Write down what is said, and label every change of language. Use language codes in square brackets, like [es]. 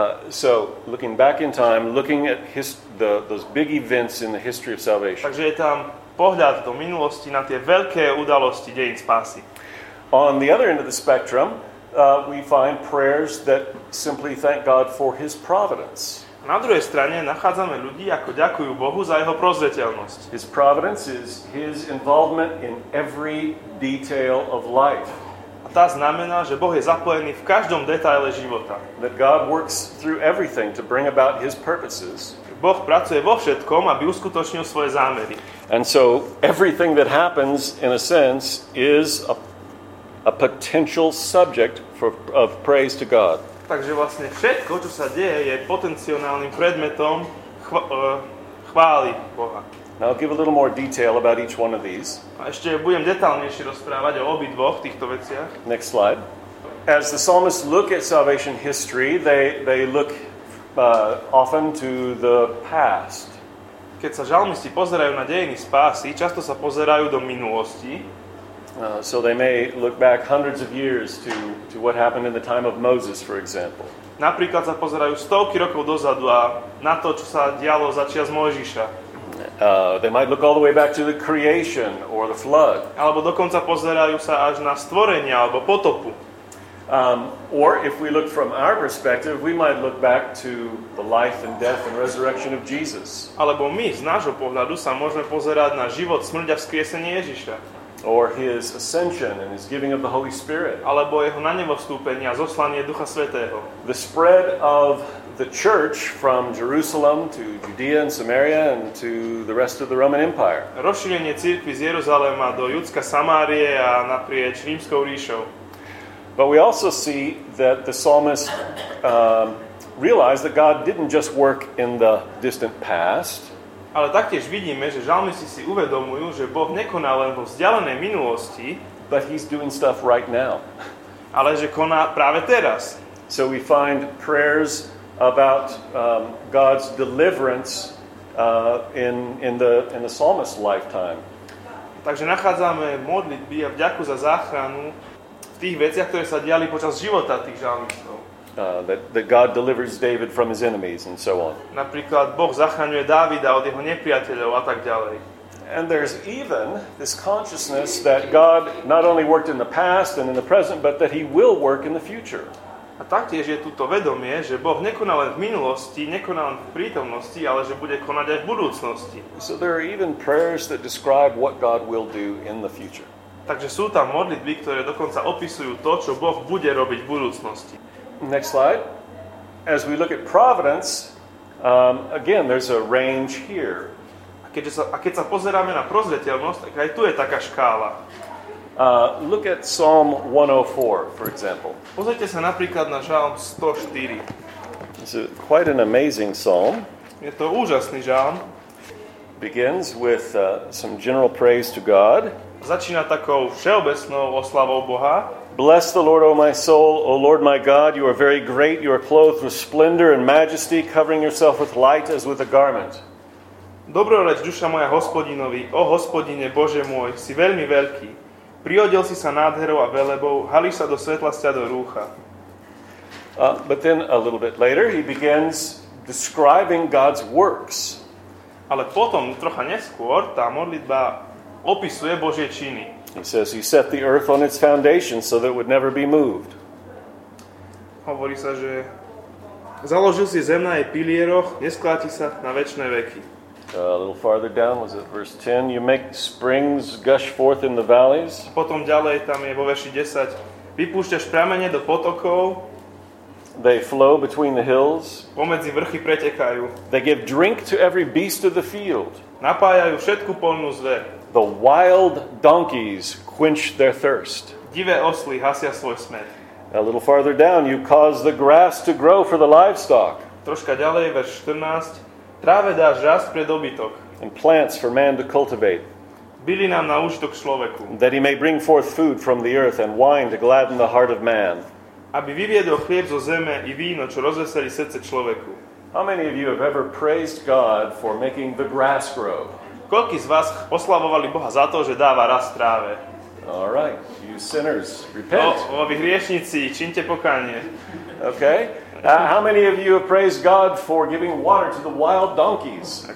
[en] So looking back in time, looking at those big events in the history of salvation. [sk] Takže je tam pohľad do minulosti na tie veľké udalosti dejín spásy. [en] On the other end of the spectrum, we find prayers that simply thank God for his providence. [sk] Na druhej strane nachádzame ľudí, ako ďakujú Bohu za jeho prozreteľnosť. [en] His providence is his involvement in every detail of life. [sk] A to znamená, že Boh je zapojený v každom detaile života. [en] That God works through everything to bring about his purposes. [sk] Boh pracuje vo všetkom, aby uskutočnil svoje zámery. [en] And so everything that happens in a sense is a a potential subject for of praise to God. [sk] Takže vlastne všetko, čo sa deje, je potenciálnym predmetom chvály Boha. [en] Now I'll give a little more detail about each one of these. [sk] A ešte budem detailnejšie rozprávať o obidvoch týchto veciach. [en] Next slide. As the psalmists look at salvation history, they look often to the past. [sk] Keď sa žalmisti pozerajú na dejiny spásy, často sa pozerajú do minulosti. [en] So they may look back hundreds of years to what happened in the time of Moses, for example. [sk] Napríklad sa pozerajú stovky rokov dozadu a na to, čo sa dialo za čias Mojžiša. [en] They might look all the way back to the creation or the flood. [sk] Alebo dokonca pozerajú sa až na stvorenie alebo potopu. [en] Or if we look from our perspective, we might look back to the life and death and resurrection of Jesus. [sk] Alebo my z nášho pohľadu sa môžeme pozerať na život, smrť a vzkriesenie Ježiša. [en] Or his ascension and his giving of the Holy Spirit. [sk] Alebo jeho na nebo vstúpenie a zoslanie Ducha Svätého. [en] The spread of the church from Jerusalem to Judea and Samaria and to the rest of the Roman Empire. [sk] Rozšírenie cirkvi z Jeruzalema do Judska, Samárie a naprieč Rímskou ríšou. [en] But we also see that the psalmist realized that God didn't just work in the distant past. [sk] Ale taktiež vidíme, že žalmisti si uvedomujú, že Boh nekoná len vo vzdialenej minulosti, [en] but he's doing stuff right now. [sk] Ale že koná práve teraz. [en] So we find prayers about God's deliverance in the psalmist's lifetime. [sk] Takže nachádzame modlitby a vďaku za záchranu v tých veciach, ktoré sa diali počas života tých žalmistov. [en] That God delivers David from his enemies and so on. [sk] Napríklad Boh zachraňuje Dávida od jeho nepriateľov a tak ďalej. [en] And there's even this consciousness that God not only worked in the past and in the present, but that he will work in the future. [sk] A taktiež je tuto vedomie, že Boh nekoná len v minulosti, nekoná len v prítomnosti, ale že bude konať aj v budúcnosti. [en] So there are even prayers that describe what God will do in the future. [sk] Takže sú tam modlitby, ktoré dokonca opisujú to, čo Boh bude robiť v budúcnosti. [en] Next slide. As we look at providence, again, there's a range here. [sk] A keď sa pozeráme na prozreteľnosť, tak aj tu je taká škála. [en] Look at Psalm 104, for example. [sk] Pozrite sa napríklad na žalm 104. [en] It's quite an amazing psalm. [sk] Je to úžasný žalm. [en] Begins with some general praise to God. [sk] Začína takou všeobecnou oslavou Boha. [en] Bless the Lord, O my soul. O Lord, my God, you are very great. You are clothed with splendor and majesty, covering yourself with light as with a garment. [sk] Dobroreč, duša moja Hospodinovi. O Hospodine, Bože môj, si veľmi veľký. Priodiel si sa nádherou a velebou, hališ sa do svetla sťa do rúcha. [en] But then a little bit later, he begins describing God's works. [sk] Ale potom, trocha neskôr, tá modlitba opisuje Božie činy. [en] He says he set the earth on its foundation so that it would never be moved. [sk] Hovorí sa, že založil si zem na jej pilieroch, neskláti sa na večné veky. [en] A little farther down was it verse 10, you make springs gush forth in the valleys. [sk] Potom ďalej tam je vo verši 10, vypúšťaš pramene do potokov. [en] They flow between the hills. [sk] Pomedzi vrchy pretekajú. [en] They give drink to every beast of the field. [sk] Napájajú všetku poľnú zver. [en] The wild donkeys quench their thirst. [sk] Divé osly hasia svoj smet. [en] A little farther down, you cause the grass to grow for the livestock. [sk] Troška ďalej, verš 14. Tráve dáš rast pre dobytok. [en] And plants for man to cultivate. [sk] Bylinám na úžitok človeku. [en] That he may bring forth food from the earth and wine to gladden the heart of man. [sk] Aby vyviedol chlieb zo zeme i víno, čo rozveselí srdce človeku. [en] How many of you have ever praised God for making the grass grow? [sk] Koľký z vás oslavovali Boha za to, že dáva rast tráve? [en] All right, you sinners, repent. [sk] O, vy hriešnici, čiňte pokánie. [en] Okay. How many of you have praised God for giving water to the wild donkeys?